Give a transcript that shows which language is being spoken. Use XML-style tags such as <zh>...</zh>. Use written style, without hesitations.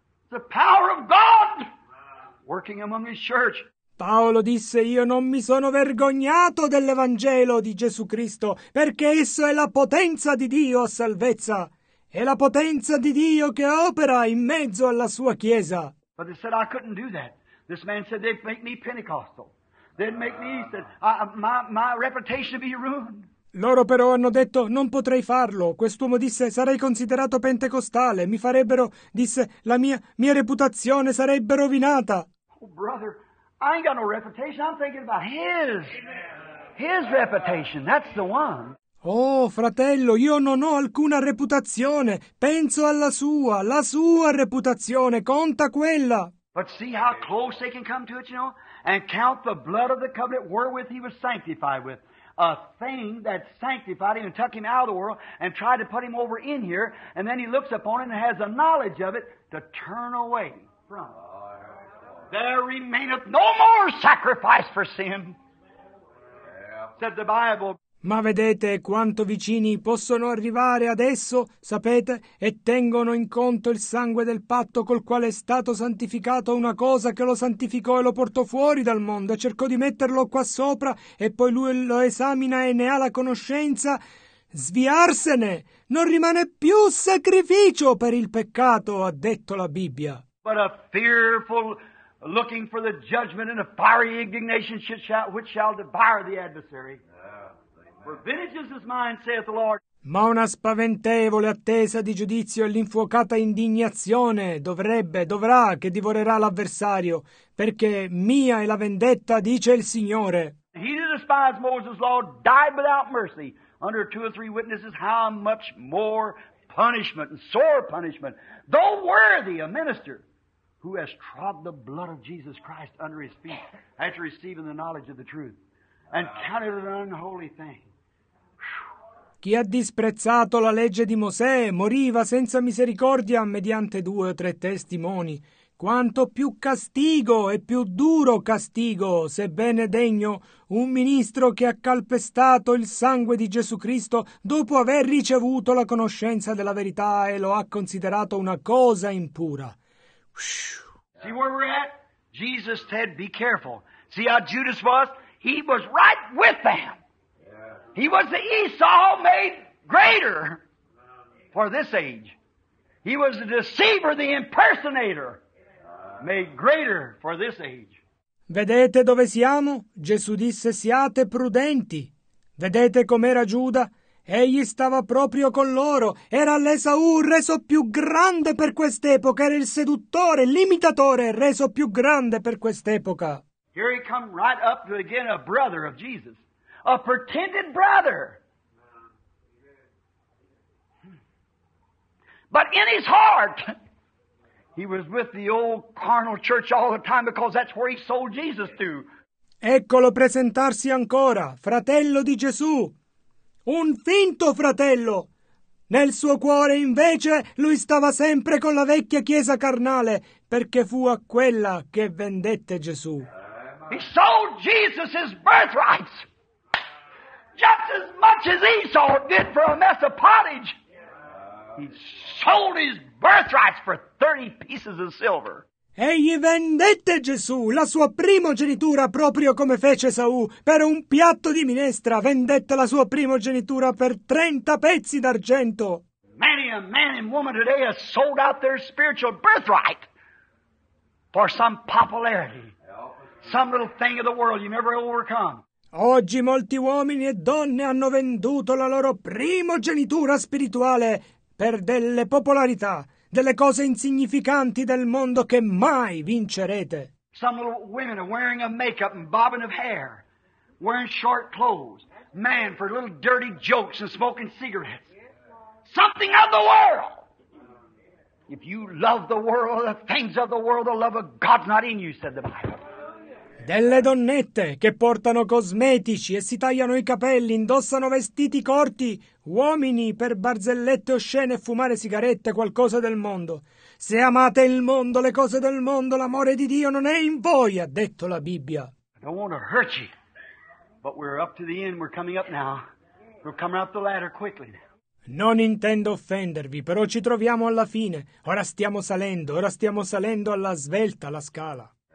<en>The power of God working among his church.</en> <it>Paolo disse, io non mi sono vergognato dell'Evangelo di Gesù Cristo, perché esso è la potenza di Dio a salvezza. È la potenza di Dio che opera in mezzo alla sua Chiesa.</it> <en>But they said, I couldn't do that. This man said, they'd make me Pentecostal. They'd make me, said, my reputation be ruined.</en> <it>Loro però hanno detto, non potrei farlo. Quest'uomo disse, sarei considerato pentecostale. Mi farebbero, disse, la mia reputazione sarebbe rovinata.</it> <en>Oh, brother, I ain't got no reputation. I'm thinking about his. His reputation, that's the one.</en> <it>Oh, fratello, io non ho alcuna reputazione. Penso alla sua, la sua reputazione. Conta quella.</it> <en>But see how close they can come to it, you know, and count the blood of the covenant wherewith he was sanctified with. A thing that sanctified him and took him out of the world and tried to put him over in here, and then he looks upon it and has a knowledge of it to turn away from. There remaineth no more sacrifice for sin, said the Bible.</en> <it>Ma vedete quanto vicini possono arrivare adesso, sapete, e tengono in conto il sangue del patto col quale è stato santificato una cosa che lo santificò e lo portò fuori dal mondo, e cercò di metterlo qua sopra, e poi lui lo esamina e ne ha la conoscenza. Sviarsene! Non rimane più sacrificio per il peccato, ha detto la Bibbia.</it> <en>But a fearful looking for the judgment and a fiery indignation which shall devour the adversary. For vengeance is mine, saith the Lord.</en> <it>Ma una spaventevole attesa di giudizio e l'infuocata indignazione dovrà che divorerà l'avversario, perché mia è la vendetta, dice il Signore.</it> <en>He that despised Moses' law died without mercy under two or three witnesses. How much more punishment and sore punishment, though worthy a minister who has trod the blood of Jesus Christ under his feet after receiving the knowledge of the truth and counted it an unholy thing.</en> <it>Chi ha disprezzato la legge di Mosè moriva senza misericordia mediante due o tre testimoni. Quanto più castigo e più duro castigo, sebbene degno, un ministro che ha calpestato il sangue di Gesù Cristo dopo aver ricevuto la conoscenza della verità e lo ha considerato una cosa impura.</it> <en>See where we're at? Jesus said, be careful. See how Judas was? He was right with them. He was the Esau made greater for this age. He was the deceiver, the impersonator made greater for this age.</en> <it>Vedete dove siamo? Gesù disse, siate prudenti. Vedete com'era Giuda? Egli stava proprio con loro. Era l'Esau reso più grande per quest'epoca. Era il seduttore, l'imitatore reso più grande per quest'epoca.</it> <en>Here he come right up to again a brother of Jesus. A pretended brother. But in his heart, he was with the old carnal church all the time because that's where he sold Jesus to.</en> <it>Eccolo presentarsi ancora, fratello di Gesù. Un finto fratello. Nel suo cuore, invece, lui stava sempre con la vecchia chiesa carnale perché fu a quella che vendette Gesù.</it> <en>He sold Jesus his birthrights. Just as much as Esau did for a mess of pottage. He sold his birthrights for 30 pieces of silver.</en> <it>Egli vendette Gesù, la sua primogenitura, proprio come fece Esau, per un piatto di minestra. Vendette la sua primogenitura per 30 pezzi d'argento.</it> <en>Many a man and woman today has sold out their spiritual birthright for some popularity, some little thing of the world you never overcome.</en> <it>Oggi molti uomini e donne hanno venduto la loro primogenitura spirituale per delle popolarità, delle cose insignificanti del mondo che mai vincerete.</it> <en>Some little women are wearing a makeup and bobbing of hair, wearing short clothes, man for little dirty jokes and smoking cigarettes. Something of the world! If you love the world, the things of the world, the love of God's not in you, said the Bible.</en> <it>Delle donnette che portano cosmetici e si tagliano i capelli, indossano vestiti corti, uomini per barzellette oscene e fumare sigarette, qualcosa del mondo. Se amate il mondo, le cose del mondo, l'amore di Dio non è in voi, ha detto la Bibbia.</it> <en>I don't want to hurt you, but we're up to the end, we're coming up now. We're coming up the ladder quickly.</en> <it>Non intendo offendervi, però ci troviamo alla fine. Ora stiamo salendo alla svelta, alla scala.</it>